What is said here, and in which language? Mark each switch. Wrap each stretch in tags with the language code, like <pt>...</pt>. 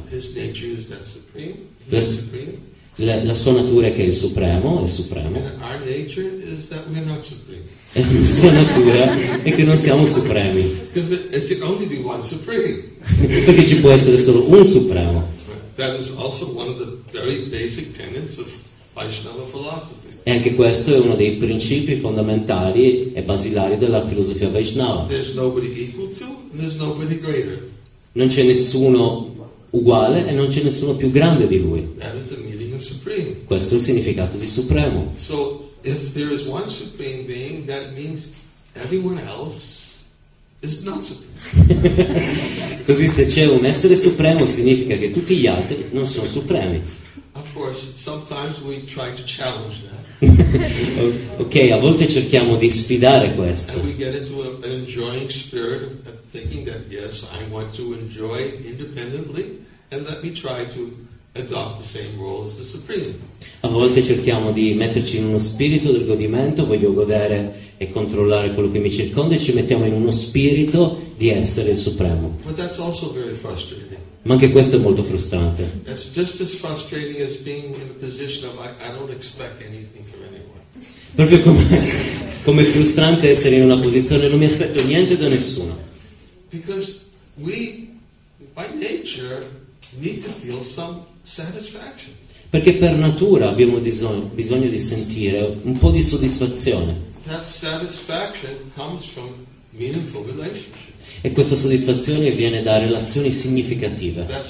<en>His nature is that supreme, the supreme.</en> <it>La sua natura è che è il Supremo, è il Supremo.</it> <en>And our nature is that we're not supreme.</en> <it>E la sua natura è che non siamo supremi.</it> <en>It can only be one supreme.</en> <it>Perché ci può essere solo un Supremo.</it> <en>That is also one of the very basic tenets of Vaishnava philosophy.</en> <it>E anche questo è uno dei principi fondamentali e basilari della filosofia Vaishnava.</it> <en>There's nobody equal to, and there's nobody greater.</en> <it>Non c'è nessuno uguale e non c'è nessuno più grande di lui.</it> <en>That is the meaning of supreme.</en> <it>Questo è il significato di supremo.</it> <en>So if there is one supreme being, that means everyone else is not supreme.</en> <it>Così se c'è un essere supremo significa che tutti gli altri non sono supremi.</it> <en>Of course, sometimes we try to challenge that.</en> <it>Ok, a volte cerchiamo di sfidare questo.</it> <en>And we get into an enjoying spirit of thinking that yes, I want to enjoy independently and let me try to adopt the same role as the Supreme.</en> <it>A volte cerchiamo di metterci in uno spirito del godimento, voglio godere e controllare quello che mi circonda e ci mettiamo in uno spirito di essere il Supremo.</it> <en>But that's also very frustrating.</en> <it>Ma anche questo è molto frustrante.</it> <en>It's just as frustrating as being in a position of I don't expect anything from anyone.</en> <it>Proprio come frustrante essere in una posizione non mi aspetto niente da nessuno.</it> <en>Because we by nature need to feel some satisfaction.</en> <it>Perché per natura abbiamo bisogno di sentire un po' di soddisfazione.</it> <en>That satisfaction comes from meaningful relationships.</en> <it>E questa soddisfazione viene da relazioni significative.</it>